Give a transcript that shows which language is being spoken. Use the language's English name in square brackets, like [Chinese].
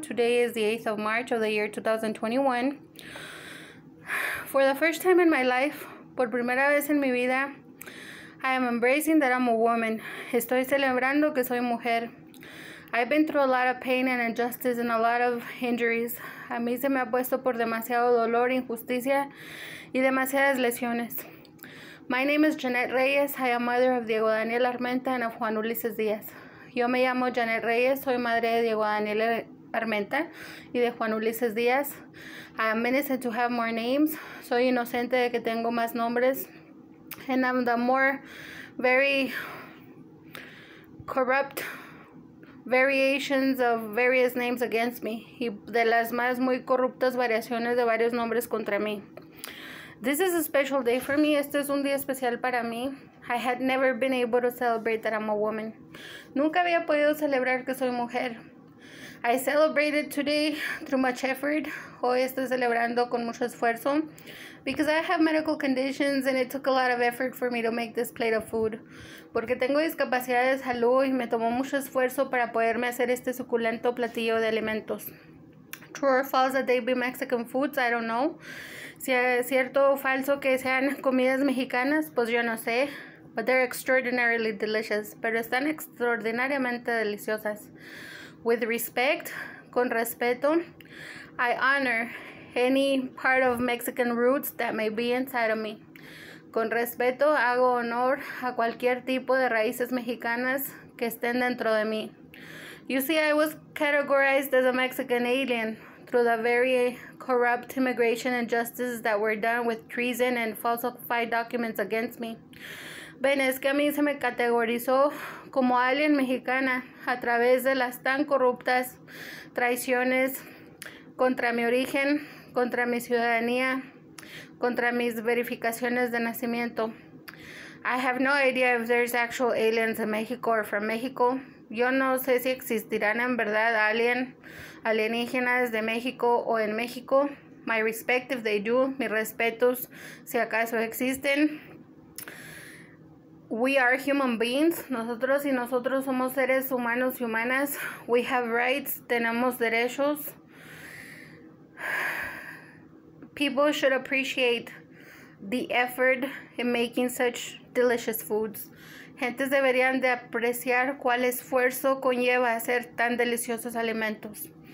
[English] Today is the 8th of March of the year 2021. For the first time in my life, [Spanish] por primera vez en mi vida, [English] I am embracing that I'm a woman. [Spanish] Estoy celebrando que soy mujer. [English] I've been through a lot of pain and injustice and a lot of injuries. [Spanish] A mí se me ha puesto por demasiado dolor, injusticia y demasiadas lesiones. [English] My name is Jeanette Reyes. I am mother of Diego Daniel Armenta and of Juan Ulises Díaz. [Spanish] Yo me llamo Jeanette Reyes. Soy madre de Diego Daniel Armenta y de Juan Ulises Díaz. [English] I am innocent to have more names. [Spanish] Soy inocente de que tengo más nombres. [English] And I'm the more very corrupt variations of various names against me, [Spanish] y de las más muy corruptas variaciones de varios nombres contra mí. [English] This is a special day for me. [Spanish] Este es un día especial para mí. [English] I had never been able to celebrate that I'm a woman. [Spanish] Nunca había podido celebrar que soy mujer. [English] I celebrated today through much effort. [Spanish] Hoy estoy celebrando con mucho esfuerzo. [English] Because I have medical conditions and it took a lot of effort for me to make this plate of food. [Spanish] Porque tengo discapacidad de salud y me tomó mucho esfuerzo para poderme hacer este suculento platillo de alimentos. [English] True or false that they be Mexican foods, I don't know. [Spanish] Si es cierto o falso que sean comidas mexicanas, pues yo no sé. [English] But they're extraordinarily delicious. [Spanish] Pero están extraordinariamente deliciosas. [English] With respect, [Spanish] con respeto, [English] I honor any part of Mexican roots that may be inside of me. [Spanish] Con respeto, hago honor a cualquier tipo de raíces mexicanas que estén dentro de mí. [English] You see, I was categorized as a Mexican alien through the very corrupt immigration injustices that were done with treason and falsified documents against me. [Spanish] Ven, es que a mí se me categorizó como alien mexicana a través de las tan corruptas traiciones contra mi origen, contra mi ciudadanía, contra mis verificaciones de nacimiento. [English] I have no idea if there's actual aliens in Mexico or from Mexico. [Spanish] Yo no sé si existirán en verdad alienígenas de México o en México. [English] My respect if they do, [Spanish] mis respetos si acaso existen. [English] We are human beings. [Spanish] Nosotros y nosotros somos seres humanos y humanas. [English] We have rights. Tenemos derechos. People should appreciate the effort in making such delicious foods. [Spanish] Gentes deberían de apreciar cuál esfuerzo conlleva hacer tan deliciosos alimentos.